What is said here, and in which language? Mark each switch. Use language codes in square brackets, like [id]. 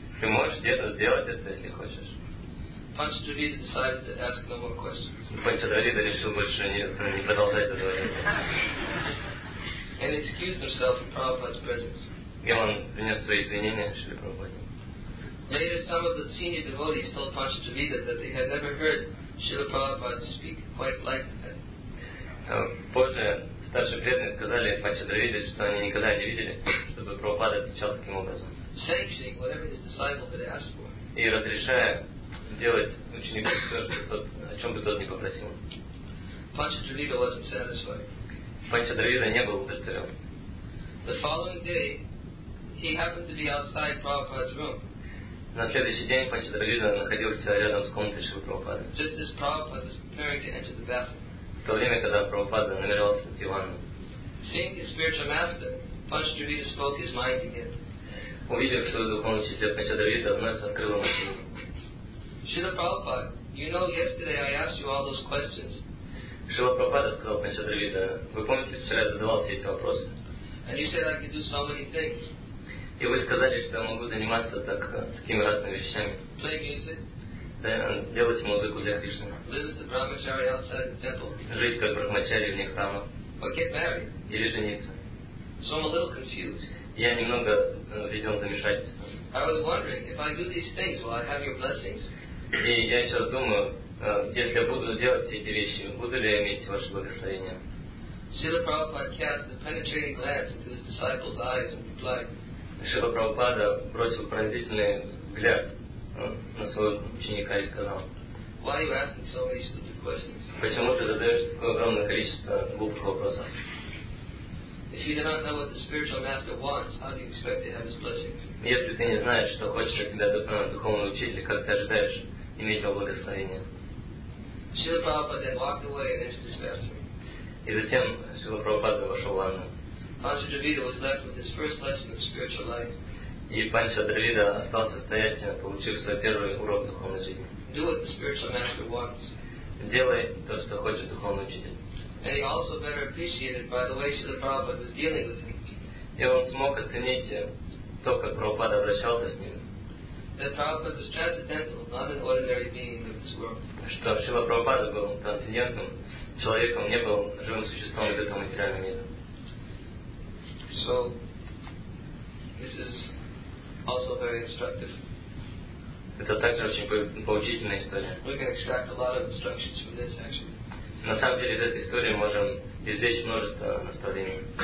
[ru] Ты можешь где-то сделать это, если хочешь. [en] Panchadravida decided to ask no more questions. [ru] Панчадравида решил больше не продолжать этого. [en] And excused himself from Prabhupada's presence. [ru] И он принес свои извинения Шри Прабхупаде. [en] Later, some of the senior devotees told Panchadravida that they had never heard Srila Prabhupada speak quite like that. [ru] Позже старшие преданные сказали Панчадравиде, что они никогда не видели, чтобы Прабхупада отвечал таким образом. [en] Sanctioning whatever his disciple had asked for. [ru] И разрешая делать ученику все, о чем бы тот ни попросил. [en] Панчадравида wasn't satisfied. [ru] Панчадравида не был удовлетворен. [en] The following day, he happened to be outside Prabhupada's room. [ru] На следующий день Панчадравида находился рядом с комнатой Шрилы Прабхупады. [en] Just as Prabhupada was preparing to enter the bathroom. [ru] В то время, когда Прабхупада намеревался идти в ванну. [en] Seeing his spiritual master, Panchadravida spoke his mind again. [ru] Увидев своего духовного учителя, Панчадравида вновь открыл ему силу. [en] Srila Prabhupada, you know yesterday I asked you all those questions. [ru] Srila Prabhupada сказал Панчадравида, вы помните, вчера я задавал все эти вопросы? [en] And you said I could do so many things. [ru] И вы сказали, что я могу заниматься такими разными вещами. [en] Play music. [ru] Да, делать музыку для Кришны. [en] Live as a brahmachari outside the temple. [ru] Жить как брахмачари вне храма. [en] Or get married. [ru] Или жениться. [en] So I'm a little confused. [ru] Я немного видел замешательство. [en] I was wondering, if I do these things, will I have your blessings? [ru] И я сейчас думаю, если я буду делать все эти вещи, буду ли я иметь ваше благословение? [en] Шрила Прабхупада cast a penetrating glance into his disciples' eyes and replied. [ru] Шрила Прабхупада бросил пронзительный взгляд на своего ученика и сказал. [en] Why are you asking so many stupid questions? [ru] Почему ты задаешь такое огромное количество глупых вопросов? [en] If you do not know what the spiritual master wants, how do you expect to have his blessings? [ru] Если ты не знаешь, что хочет от тебя духовный учитель, как ты ожидаешь иметь его благословение? [en] Шрила Прабхупада then walked away and entered his bathroom. [ru] И затем Шрила Прабхупада вошел в ванну. [en] Панча Дравида was left with his first lesson of spiritual life. [ru] И Панча Дравида остался стоять, получив свой первый урок духовной жизни. [en] Do what the spiritual master wants. [ru] Делай то, что хочет духовный учитель. [en] And he also better appreciated by the way Шрила Прабхупада was dealing with him. [ru] И он смог оценить то, как Прабхупада обращался с ним. [en] That Prabhupada was transcendental, not an ordinary being of this world. [ru] Что Шрила Прабхупада был трансцендентным человеком, не был живым существом из этого материального мира. [en] So, this is also very instructive. [ru] Это также очень поучительная история. [en] We can extract a lot of instructions from this, actually. [ru] На самом деле, из этой истории можем извлечь множество наставлений.